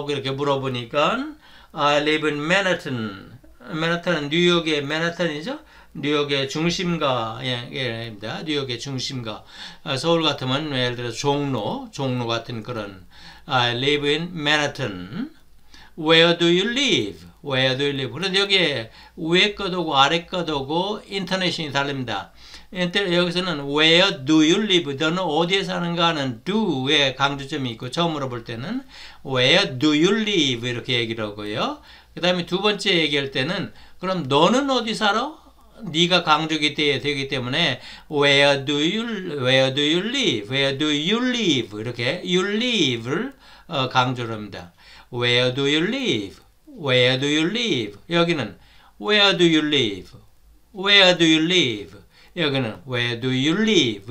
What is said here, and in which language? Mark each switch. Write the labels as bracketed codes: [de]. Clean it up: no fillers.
[ko] 이렇게 물어보니까 [en] I live in Manhattan. [ko] Manhattan은 뉴욕의 맨해튼이죠. 뉴욕의 중심가입니다. 뉴욕의 중심가. 서울 같으면 예를 들어 종로 같은 그런 [en] I live in Manhattan. Where do you live? Where do you live? [ko] 그런데 여기에 위에 것도 오고 아래 것도 오고 인터넷이 다릅니다. 여기서는 [en] Where do you live? [ko] 너는 어디에 사는가 하는 do의 강조점이 있고 처음으로 볼 때는 [en] Where do you live? [ko] 이렇게 얘기를 하고요. 그 다음에 두 번째 얘기할 때는 그럼 너는 어디 살아? 네가 강조기 되기 때문에 [en] Where do you live? Where do you live? [ko] 이렇게 [en] you live [ko] 를 강조를 합니다. [en] Where do you live? Where do you live? [ko] 여기는 [en] Where do you live? Where do you live? [ko] 여기는 [en] Where do you live?